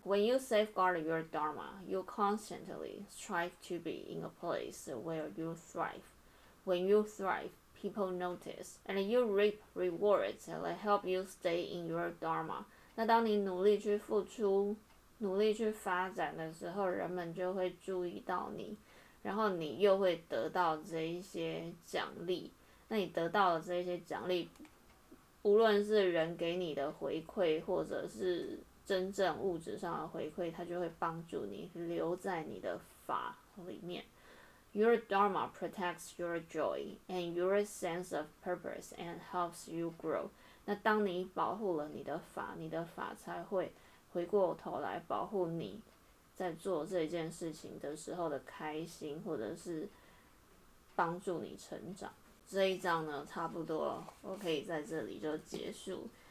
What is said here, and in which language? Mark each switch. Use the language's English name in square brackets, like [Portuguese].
[English] When you safeguard your Dharma, you constantly strive to be in a place where you thrive. When you thrive,People notice, and you reap rewards that help you stay in your dharma. [Chinese] 那当你努力去付出，努力去发展的时候，人们就会注意到你，然后你又会得到这一些奖励。那你得到的这些奖励，无论是人给你的回馈，或者是真正物质上的回馈，它就会帮助你留在你的法里面。 [English] Your Dharma protects your joy and your sense of purpose and helps you grow. [Chinese] 那当你保护了你的法，你的法才会回过头来保护你在做这件事情的时候的开心，或者是帮助你成长。这一章呢，差不多我可以在这里就结束。